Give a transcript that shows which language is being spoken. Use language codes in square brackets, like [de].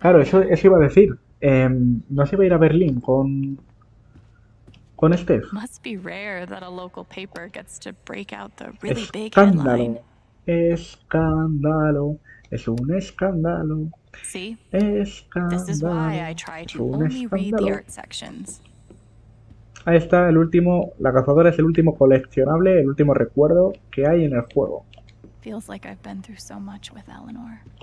[es] claro, eso iba a decir. ¿No se iba a ir a Berlín con... con este [en] must be rare that a local paper gets to break out the really big headline. [es] Escándalo, es un escándalo. [en] See, [es] escándalo, [en] this is why I try to only read the art sections. [es] Ahí está el último, la cazadora es el último coleccionable, el último recuerdo que hay en el juego. [en] Feels like I've been through so much with Eleanor.